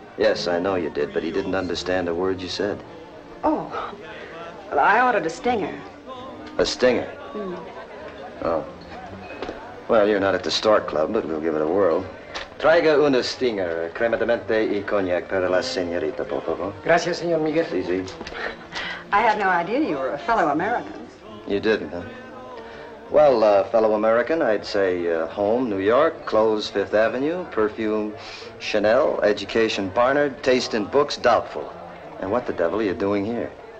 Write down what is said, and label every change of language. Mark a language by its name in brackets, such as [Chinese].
[English] Yes, I know you did, but he didn't understand a word you said. Oh. Well, I ordered a stinger. A stinger? Mm. Oh. Well, you're not at the Stork Club, but we'll give it a whirl. [Spanish] Traiga una stinger, crema de menta y cognac para la señorita, por favor. Gracias, señor Miguel. Sí, sí. [English] I had no idea you were a fellow American. You didn't, huh? Well, fellow American, I'd say home, New York, clothes, Fifth Avenue, perfume, Chanel, education, Barnard, taste in books, doubtful. And what the devil are you doing here?